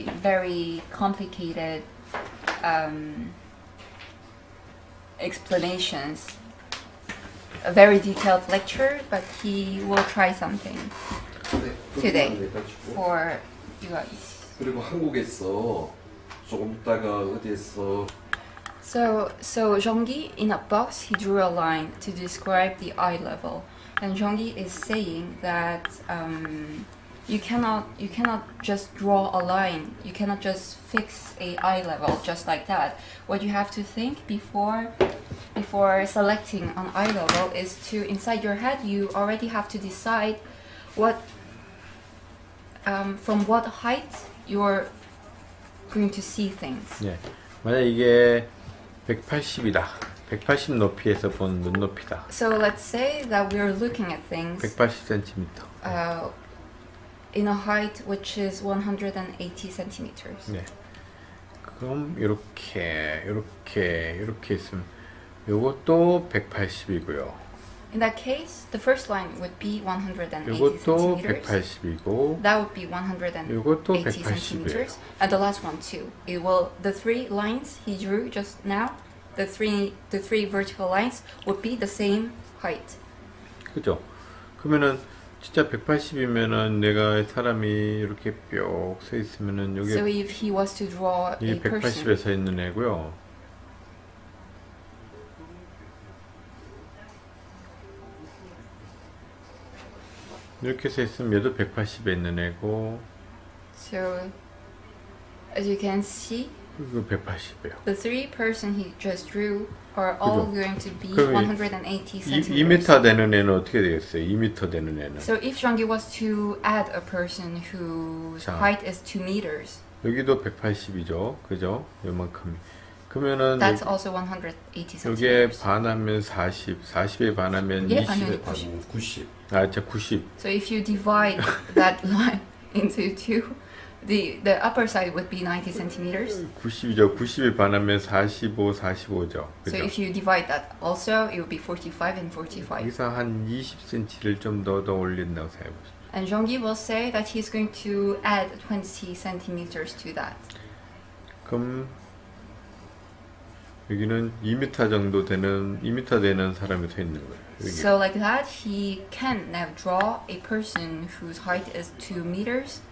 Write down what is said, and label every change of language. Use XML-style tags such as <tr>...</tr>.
<en>very complicated explanations, a very detailed lecture, but he will try something today for you guys.</en> <ko>그리고 한국에서 조금 있다가 어디에서</ko> <en>So Zhonggi in a box, he drew a line to describe the eye level, and Zhonggi is saying that you cannot just draw a line, you cannot just fix a eye level just like that. What you have to think before selecting an eye level is to inside your head you already have to decide what from what height you're going to see things.</en> <ko>Yeah, 만약 이게 180이다. 180 높이에서 본 눈높이다.</ko> <en>So let's say that we are looking at things 180cm. In a height which is 180cm.</en> <ko>네. 그럼 이렇게 있으면 이것도 180이고요.</ko> <en>In that case, the first line would be 180cm.</en> <ko>이것도 180이고</ko> <en>That would be 180cm. And the last one too. The three lines he drew just now the three vertical lines would be the same height.</en> <ko>그죠? 그러면은 진짜 180이면은 내가 사람이 이렇게 뿅 서 있으면은 이게</ko> <en>So if he was to draw a person</en> <ko>이게 180에 서 있는 애고요. 이렇게 서 있으면 얘도 180에 있는 애고</ko> <en>So as you can see</en> <ko>이거 180이에요.</ko> <en>The three person he just drew are all</en> <ko>그죠?</ko> <en>going to be 180cm.</en> <ko>2m 되는 애는 어떻게 되겠어요? 2m 되는 애는.</ko> <en>So if Zhonggi was to add a person whose 자, height is 2m.</en> <ko>여기도 180이죠. 그죠? 요만큼. 그러면은</ko> <en>That's</en> <ko>여기,</ko> <en>also 180cm.</en> <ko>여기에 반하면 40에 반하면 예, 20. 아니, 90. 아, 90.</ko> <en>So if you divide that line into two The upper side would be 90cm.</en> <ko>90이죠. 90에 반하면 45죠. 그죠?</ko> <en>So if you divide that also, it would be 45 and 45.</en> <ko>여기서 한 20cm를 좀 더 올린다고 생각해보십시오.</ko> <en>And Zhonggi will say that he's going to add 20cm to that.</en> <ko>그럼 여기는 2m 정도 되는, 2m 되는 사람이 서 있는 거예요. 여기.</ko> <en>So like that, he can now draw a person whose height is 2m.</en>